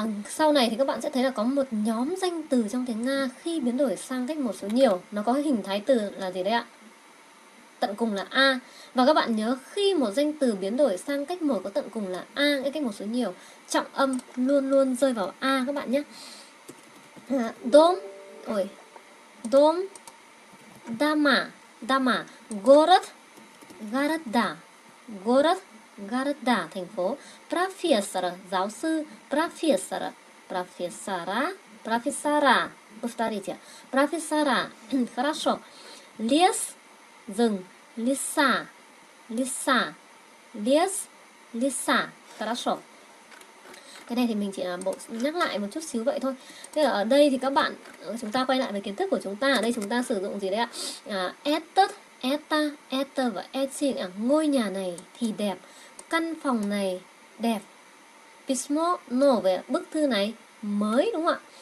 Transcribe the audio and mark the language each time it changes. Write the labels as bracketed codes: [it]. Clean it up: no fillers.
[vi] Sau này thì các bạn sẽ thấy là có một nhóm danh từ trong tiếng Nga khi biến đổi sang cách một số nhiều, nó có hình thái từ là gì đấy ạ? Tận cùng là A. Và các bạn nhớ khi một danh từ biến đổi sang cách một có tận cùng là A, nghĩa cách một số nhiều, trọng âm luôn luôn rơi vào A các bạn nhé. [ru] Дом, ой, дом, дома, дома, город, города, город, города, [vi] thành phố, [ru] профессор, [vi] giáo sư, [ru] профессор, профессора, профессора, повторите, профессора, хорошо, лес, [vi] rừng, [ru] леса, леса, лес, леса, хорошо. [vi] Cái này thì mình chỉ là bộ nhắc lại một chút xíu vậy thôi. Thế ở đây thì các bạn, chúng ta quay lại về kiến thức của chúng ta. Ở đây chúng ta sử dụng gì đấy ạ? Этот, это, это và эти, ngôi nhà này thì đẹp, căn phòng này đẹp, [ru] письмо новое, [vi] bức thư này mới, đúng không ạ?